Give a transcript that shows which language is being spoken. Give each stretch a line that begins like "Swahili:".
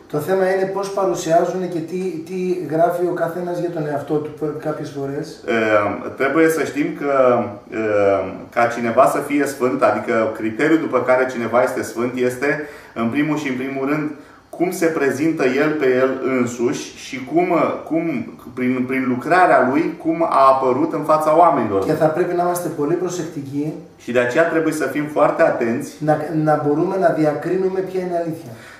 Greek: Το θέμα είναι πώς παρουσιάζουν και τι γράφει ο καθένας για τον εαυτό του κάποιες φορές.
Romanian: Trebuie să știm că ca cineva să fie Sfânt, adică criteriul după care cineva este Sfânt, este în primul și în primul rând cum se prezintă el pe el însuși și cum prin lucrarea lui, cum a apărut în fața oamenilor.
Greek: Και θα πρέπει να είμαστε πολύ προσεκτικοί.
Romanian: Și de aceea trebuie să fim foarte atenți.
Greek: Να μπορούμε να διακρίνουμε ποια είναι αλήθεια.